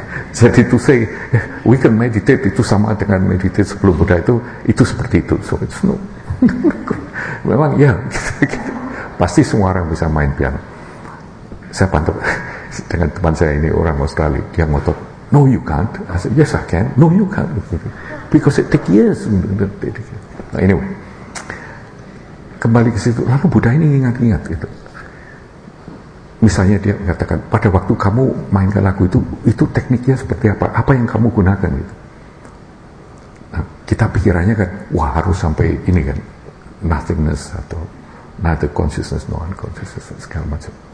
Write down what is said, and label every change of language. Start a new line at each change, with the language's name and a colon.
Indonesian: Jadi
English: to say we can meditate
Indonesian: itu sama dengan meditate sebelum Buddha itu seperti itu.
English: So it's no.
Indonesian: Memang ya kita, pasti semua orang bisa main piano. Saya pantau dengan teman saya ini orang Australia, dia ngotot,
English: no you can't. I said, yes I can, no you can't, because it take years.
Indonesian: Anyway, kembali ke situ, lalu Buddha ini ingat-ingat gitu. Misalnya dia mengatakan, pada waktu kamu mainkan lagu itu tekniknya seperti apa, apa yang kamu gunakan gitu. Nah, kita pikirannya kan, wah harus sampai ini kan, nothingness atau
English: neither consciousness nor unconsciousness
Indonesian: segala macam.